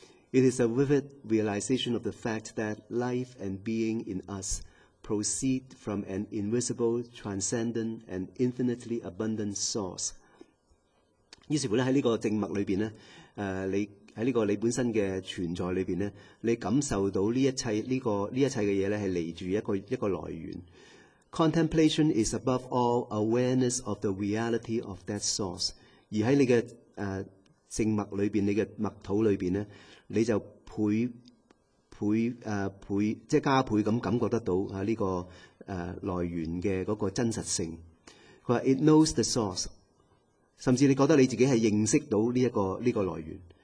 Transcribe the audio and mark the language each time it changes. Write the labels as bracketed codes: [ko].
[en] It is a vivid realization of the fact that life and being in us proceed from an invisible, transcendent and infinitely abundant source。 [zh] 于是乎在这个静默里面你在这个你本身的存在里面你感受到这一切这一切的东西是来自一个来源。 [en] Contemplation is above all awareness of the reality of that source。 [zh] 而在你的静默里面你的默祷里面你就加倍地感觉得到这个来源的那个真实性。他说 [en] It knows the source。 [zh] 甚至你觉得你自己是认识到这个来源。